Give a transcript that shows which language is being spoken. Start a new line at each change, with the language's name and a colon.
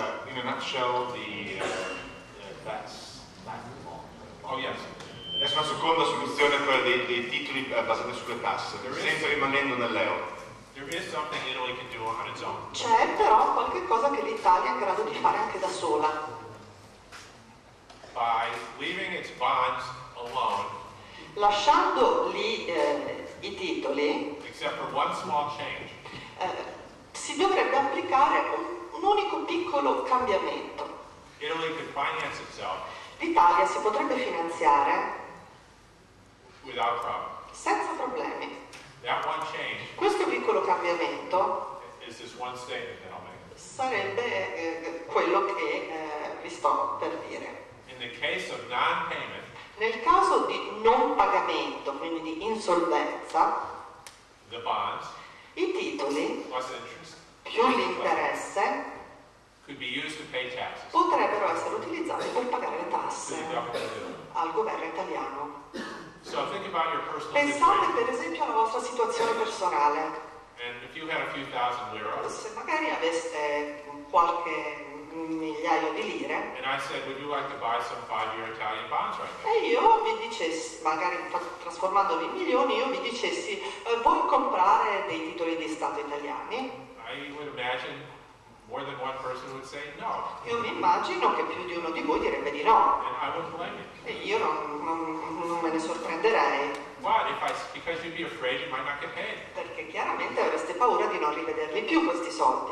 English: In a nutshell, that's Oh yes.
Italian: Adesso una seconda soluzione è quella dei titoli basati sulle tasse, sempre rimanendo nell'euro.
English: There is something Italy can do on its own.
Italian: C'è però qualche cosa che l'Italia è in grado di fare anche da sola.
English: By leaving its bonds alone.
Italian: Lasciando lì i titoli.
English: Except for one small change.
Italian: Si dovrebbe applicare un unico piccolo cambiamento.
English: Italy could finance itself.
Italian: L'Italia si potrebbe finanziare
English: without problem.
Italian: Senza problemi.
English: That one change.
Italian: Questo piccolo cambiamento
English: is this one statement that I'll make.
Italian: Sarebbe quello che vi sto per dire.
English: In the case of non-payment,
Italian: nel caso di non pagamento, quindi di insolvenza,
English: the bonds,
Italian: i titoli
English: plus interest,
Italian: più l'interesse
English: could be used to pay taxes.
Italian: Potrebbero essere utilizzati per pagare le tasse al governo italiano.
English: So think about your personal
Italian: pensate
English: situation.
Italian: Per esempio alla vostra situazione personale.
English: And if you had a few thousand lira,
Italian: se magari aveste qualche migliaio di lire,
English: and I said, would you like to buy some five-year Italian bonds right now?
Italian: E io vi dicessi, magari trasformandovi in milioni, io vi dicessi, vuoi comprare dei titoli di Stato italiani?
English: I would imagine more than one person would say no.
Italian: Io mi immagino che più di uno di voi direbbe di no.
English: And I wouldn't blame you.
Italian: E io non me ne sorprenderei.
English: What if I, because you'd be afraid you might not get paid.
Italian: Perché chiaramente avreste paura di non rivederli più questi soldi.